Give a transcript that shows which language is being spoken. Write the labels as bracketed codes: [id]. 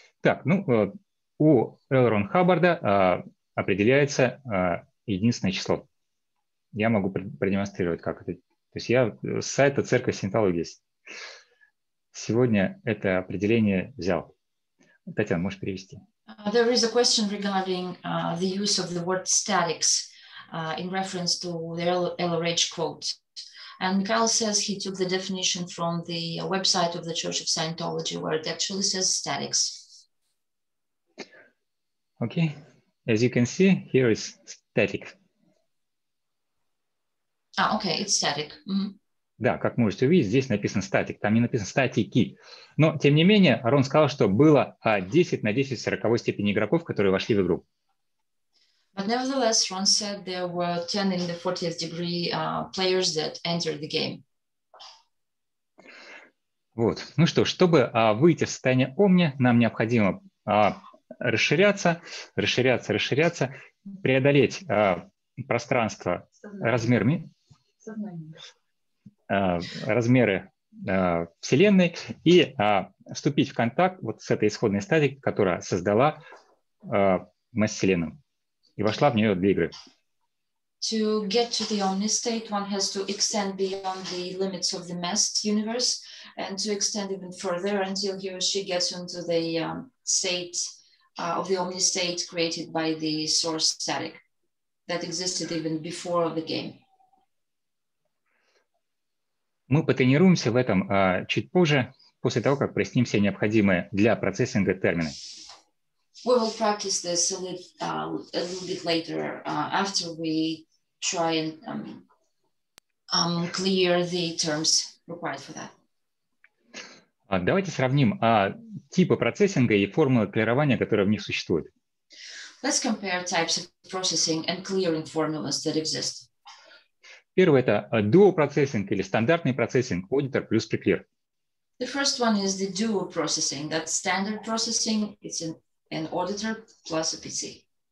[ru] Так, ну, у Элрон Хаббарда определяется единственное число. Я могу продемонстрировать, как это. То есть я с сайта Церкви Синтологии сегодня это определение взял. Татьяна, можешь перевести? [en] There is a question regarding the use of the word statics in reference to the LRH quote. And Mikhail says he took the definition from the website of the Church of Scientology, where it actually says statics. Okay. As you can see, here is static. Okay, it's static. Mm-hmm. [ru] Да, как можете увидеть, здесь написано static, там не написано статики. Но, тем не менее, Рон сказал, что было 10 на 10 в 40 степени игроков, которые вошли в игру. [en] But nevertheless, Ron said there were 10 in the 40th degree players that entered the game. [ru] Вот. Ну что, чтобы выйти в состояние Omni, нам необходимо расширяться, преодолеть пространство, размеры Вселенной и вступить в контакт вот с этой исходной стадией, которая создала мысль Вселенную и вошла в нее для игры. [en] To get to the Omni state, one has to extend beyond the limits of the messed universe and to extend even further until he or she gets into the state of the Omni state created by the source static that existed even before the game. [ru] Мы потренируемся в этом чуть позже, после того, как проясним все необходимые для процессинга термины. [en] We will practice this a little bit later, after we try and clear the terms required for that. [ru] Давайте сравним типы процессинга и формулы клирования, которые в них существуют. [en] Let's compare types of processing and clearing formulas that exist. [ru] Первый – это dual processing или стандартный процессинг, auditor плюс preclear. [en] The first one is the dual processing, that's standard processing, it's an auditor plus a PC.